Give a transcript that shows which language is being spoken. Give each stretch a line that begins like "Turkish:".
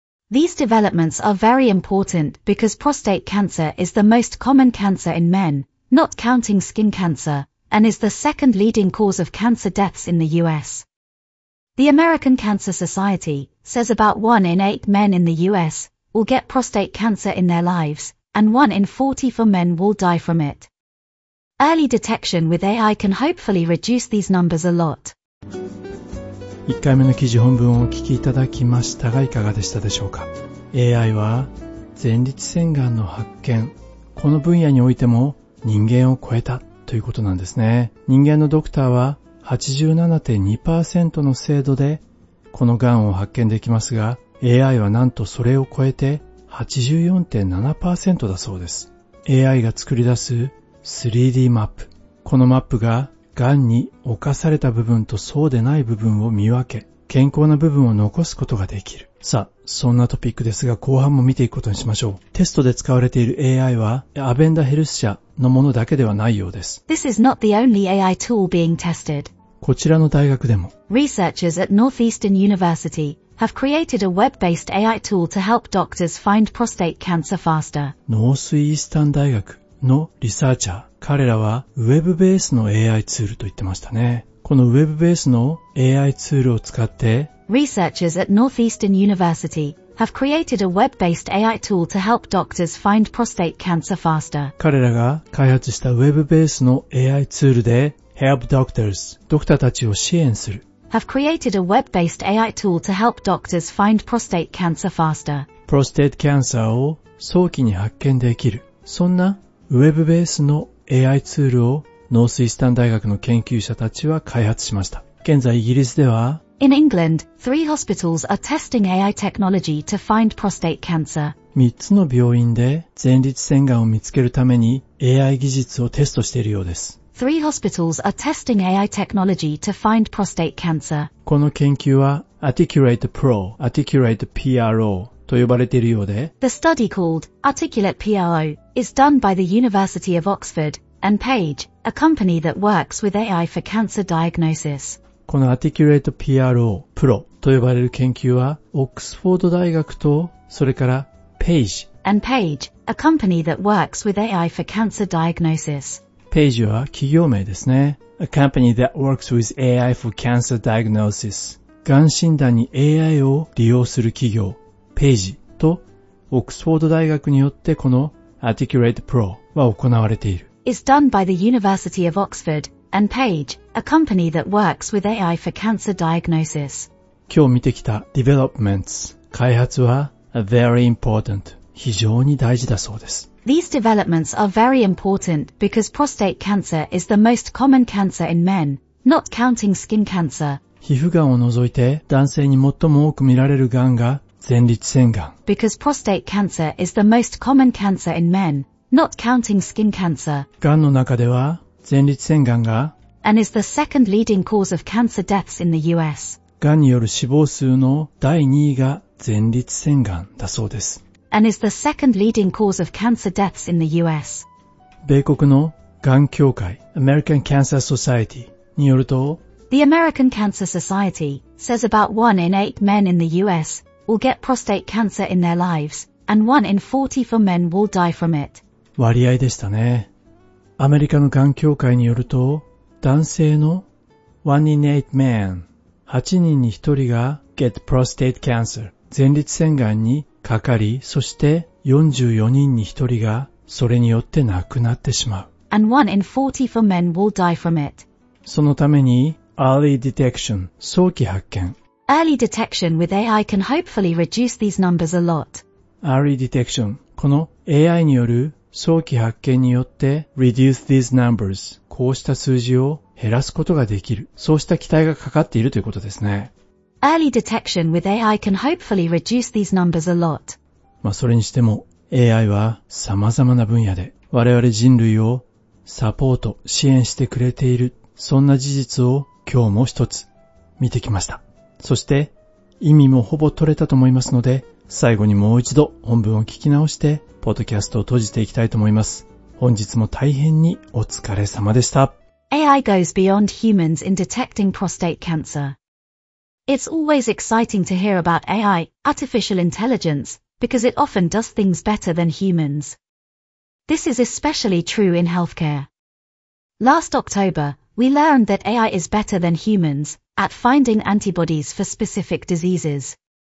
English: These developments are very important because prostate cancer is the most common cancer in men, not counting skin cancer, and is the second leading cause of cancer deaths in the US. The American Cancer Society says about 1 in 8 men in the US will get prostate cancer in their lives, and 1 in 44 men will die from it. Early detection with AI can hopefully reduce these numbers a lot.
Japanese: 1回目の記事本文をお聞きいただきましたが、いかがでしたでしょうか。 AI は前立腺がんの発見、この分野においても人間を超えたということなんですね。人間のドクターは 87.2% の精度でこのがんを発見できますが、 AI はなんとそれを超えて 84.7% だそうです。 AI が作り出す 3D マップ、このマップががんに侵された部分とそうでない部分を見分け、健康な部分を残すことができる。さあ、そんなトピックですが、後半も見ていくことにしましょう。テストで使われている AI はアベンダヘルス社のものだけではないようです。
English: This is not the only AI tool being tested.
Japanese: こちらの大学でも
English: Researchers at Northeastern University have created a web-based AI tool to help doctors find prostate cancer faster.
Japanese: ノースイースタン大学のリサーチャー、彼らはウェブベースの AI ツールと言ってましたね。このウェブベースの AI ツールを使って
English: Researchers at Northeastern University have created a web-based AI tool to help doctors find prostate cancer faster.
Japanese: 彼らが開発したウェブベースの AI ツールで
English: help doctors、
Japanese: ドクターたちを支援する。
English: have created a web-based AI tool to help doctors find prostate cancer faster. Prostate cancer
Japanese: を早期に発見できる。そんなウェブベースのAI ツールをノースイースタン大学の研究者たちは開発しました。現在イギリスでは
English: In England, 3 hospitals are testing AI technology to find prostate cancer.
Japanese: 3つの病院で前立腺がんを見つけるために AI 技術をテストしているようです。
English: 3 hospitals are testing AI technology to find prostate cancer.
Japanese: この研究は Articulate Pro、Articulate PRO と呼ばれているようで
English: The study called Articulate PRO is done by the University of Oxford and Page, a company that works with AI for cancer diagnosis.
Japanese: この Articulate PRO Pro と呼ばれる研究は Oxford 大学とそれから Page
English: and Page, a company that works with AI for cancer diagnosis.
Japanese: Page は企業名ですね。
English: A company that works with AI for cancer diagnosis.
Japanese: がん診断に AI を利用する企業ページとオックスフォード大学によってこの Articulate Pro は行われている。
English: It's done by the University of Oxford and Page, a company that works with AI for cancer diagnosis.
Japanese: 今日見てきた developments、開発は
English: very important、
Japanese: 非常に大事だそうです。
English: These developments are very important because prostate cancer is the most common cancer in men, not counting skin cancer.
Japanese: 皮膚がんを除いて男性に最も多く見られるがんが前立腺がん。
English: Because prostate cancer is the most common cancer in men, not counting skin cancer.
Japanese: がんの中では前立腺がんが
English: And is the second leading cause of cancer deaths in the US.
Japanese: がんによる死亡数の第2位が前立腺がんだそうです。
English: And is the second leading cause of cancer deaths in the US.
Japanese: 米国のがん協会 American Cancer Society によると
English: The American Cancer Society says about 1 in 8 men in the US will get prostate cancer in their lives, and 1 in 44 men will die from it.
Japanese: 割合でしたね。アメリカのがん協会によると、男性の
English: 1 in 8 men、
Japanese: 8人に1人が
English: get prostate cancer、
Japanese: 前立腺がんにかかり、そして44人に1人がそれによって亡くなってしまう。
English: And 1 in 44 men will die from it.
Japanese: そのために、
English: early detection、
Japanese: 早期発見。
English: Early detection with AI can hopefully reduce these numbers a lot. Early detection.
Japanese: この AI による早期発見によって
English: reduce these numbers。
Japanese: こうした数字を減らすことができる。そうした期待がかかっているということですね。
English: Early detection with AI can hopefully reduce these numbers a lot.
Japanese: まあそれにしても AI は様々な分野で我々人類をサポート、支援してくれている。そんな事実を今日も一つ見てきました。そして意味もほぼ取れたと思いますので、最後にもう一度本文を聞き直して、ポッドキャストを閉じていきたいと思います。本日も大変にお疲れ様でした。
English: AI goes beyond humans in detecting prostate cancer. It's always exciting to hear about AI, artificial intelligence, because it often does things better than humans. This is especially true in healthcare. Last October, we learned that AI is better than humans at finding antibodies for specific diseases.